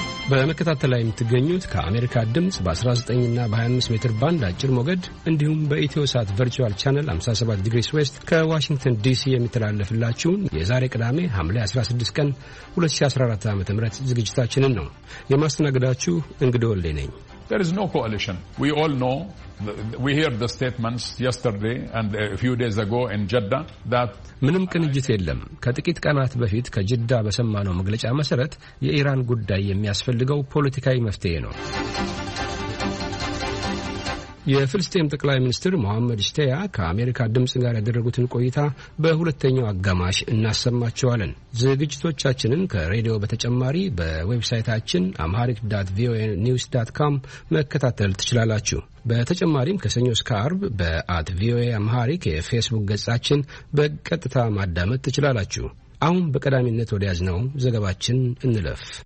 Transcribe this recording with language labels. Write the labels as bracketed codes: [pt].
[am] በመከታተል ላይ የምትገኙት ከአሜሪካ ድምፅ በ19ና በ25 ሜትር ባንድ አጭር ሞገድ እንዲሁም በኢትዮሳት ቨርቹዋል ቻነል 57 ዲግሪስ ዌስት ከዋሽንግተን ዲሲ የሚተላለፍላችሁን የዛሬ ቅዳሜ ሐምሌ 16 ቀን 2014 ዓ ም ዝግጅታችንን ነው። የማስተናግዳችሁ እንግዲህ ወሌ ነኝ። [en] There is no coalition. We all know, we hear the statements yesterday and a few days ago in Jeddah that [am] ምንም ቅንጅት የለም። ከጥቂት ቀናት በፊት ከጅዳ በሰማነው መግለጫ መሰረት የኢራን ጉዳይ የሚያስፈልገው ፖለቲካዊ መፍትሄ ነው። የፍልስጤም ጠቅላይ ሚኒስትር መሐመድ ሽቴያ ከአሜሪካ ድምጽ ጋር ያደረጉትን ቆይታ በሁለተኛው አጋማሽ እናሰማቸዋለን። ዝግጅቶቻችንን ከሬዲዮ በተጨማሪ በዌብሳይታችን amharic.voanews.com መከታተል ትችላላችሁ። በተጨማሪም ከሰኞ እስከ አርብ @voaamharic የፌስቡክ ገጻችን በቀጥታ ማዳመጥ ትችላላችሁ። አሁን በቀዳሚነት ወደ ያዝነው ዘገባችን እንለፍ።